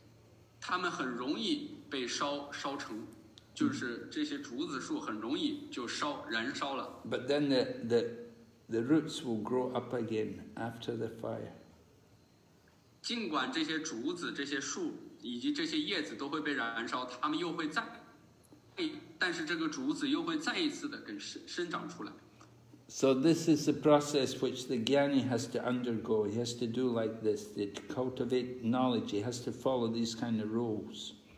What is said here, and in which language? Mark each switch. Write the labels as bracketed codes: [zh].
[zh] 这些树就是那些竹子树，竹子树下面有很多的叶子，它们很容易被烧成。就是这些竹子树很容易就烧燃烧了。 [en] But then the roots will grow up again after the fire. [zh] 尽管这些竹子、这些树以及这些叶子都会被燃烧，它们又会再，但是这个竹子又会再一次的生长出来。 [en] So this is the process which the Gyani has to undergo. He has to do like this, to cultivate knowledge. He has to follow these kind of rules.